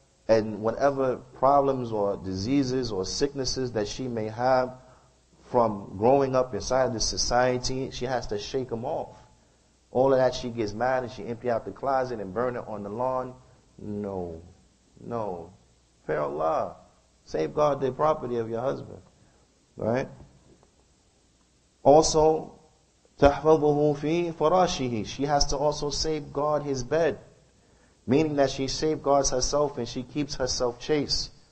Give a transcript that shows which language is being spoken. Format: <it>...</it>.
<en>And whatever problems or diseases or sicknesses that she may have from growing up inside this society, she has to shake them off. All of that, she gets mad and she empty out the closet and burn it on the lawn. No. No. Fear Allah. Safeguard the property of your husband. Right?</en> <ar>Also, تَحْفَظُهُ فِي فَرَاشِهِ.</ar> <en>She has to also safeguard his bed. Meaning that she safeguards herself and she keeps herself chaste.</en>